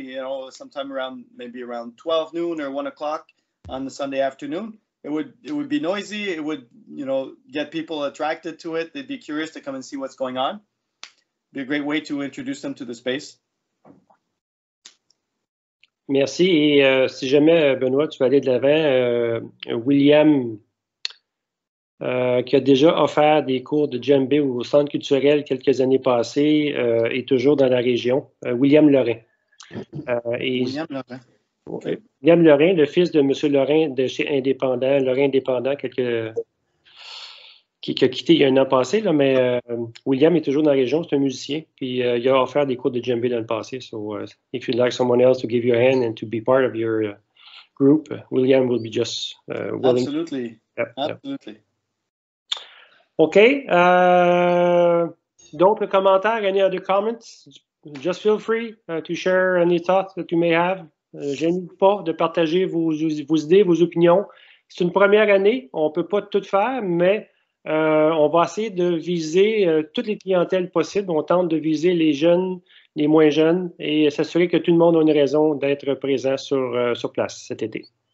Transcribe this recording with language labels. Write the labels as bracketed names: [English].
[English] You know, sometime around 12 noon or 1 o'clock on the Sunday afternoon. It would be noisy. It would, you know, get people attracted to it. They'd be curious to come and see what's going on. be a great way to introduce them to the space. [French] Merci. Et si jamais, Benoît, tu veux aller de l'avant, William, qui a déjà offert des cours de djembé au Centre culturel quelques années passées, est toujours dans la région, William Lorrain. William Lorrain, le fils de M. Lorrain de chez Indépendant, Lorrain Indépendant, qui a quitté il y a un an passé, là, mais William est toujours dans la région, c'est un musicien, puis il a offert des cours de djembé dans le passé. [English] So, if you'd like someone else to give you a hand and to be part of your group, William will be just willing. Absolutely. [French] OK. D'autres commentaires, [English] any other comments? Just feel free to share any thoughts that you may have. [French] Je n'hésite pas de partager vos idées, vos opinions. C'est une première année, on ne peut pas tout faire, mais on va essayer de viser toutes les clientèles possibles. On tente de viser les jeunes, les moins jeunes, et s'assurer que tout le monde a une raison d'être présent sur place cet été.